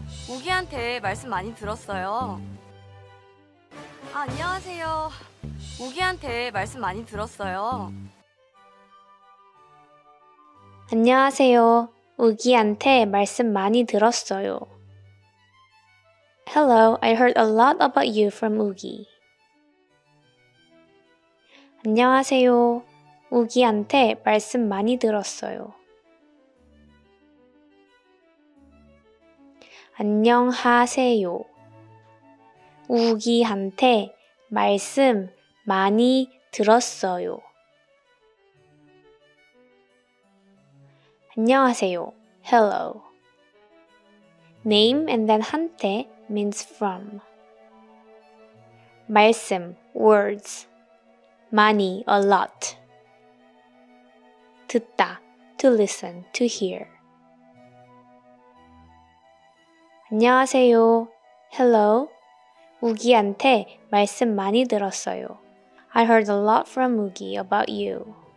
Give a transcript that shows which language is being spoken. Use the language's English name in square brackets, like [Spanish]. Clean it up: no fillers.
[Korean] 우기한테 말씀 많이 들었어요. 안녕하세요. 우기한테 말씀 많이 들었어요. 안녕하세요. 우기한테 말씀 많이 들었어요. [English] Hello, I heard a lot about you from Ugi. [Korean] 안녕하세요. 우기한테 말씀 많이 들었어요. 안녕하세요. 우기한테 말씀 많이 들었어요. 안녕하세요. [English] Hello. Name and then 한테 means from. 말씀, words. 많이, a lot. 듣다, to listen, to hear. [Korean] 안녕하세요. [English] Hello. [Korean] 우기한테 말씀 많이 들었어요. [English] I heard a lot from Ugi about you.